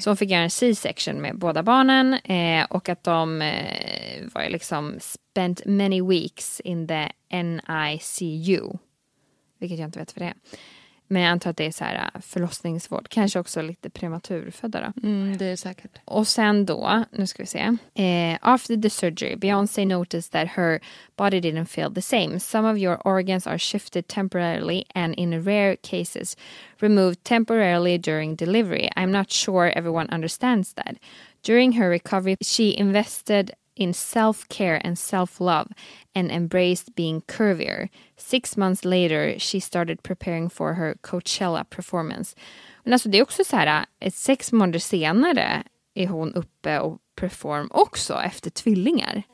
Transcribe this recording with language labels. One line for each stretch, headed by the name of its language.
Swedish: Så hon fick göra en C-section med båda barnen. Och att de var liksom
English: spent many weeks in the NICU.
Swedish: Vilket jag inte vet för det. Men jag antar att det är så här förlossningsvård. Kanske också lite prematurfödda då. Mm, det är säkert. Och sen då, nu ska vi se.
English: After the surgery, Beyoncé noticed that her body didn't feel the same. Some of your organs are shifted temporarily and in rare cases removed temporarily during delivery. I'm not sure everyone understands that. During her recovery, she invested in self-care and self-love and embraced being curvier. 6 months later, she started preparing for her Coachella performance.
Swedish: Men alltså det är också så här, 6 månader senare är hon uppe och perform också efter tvillingar.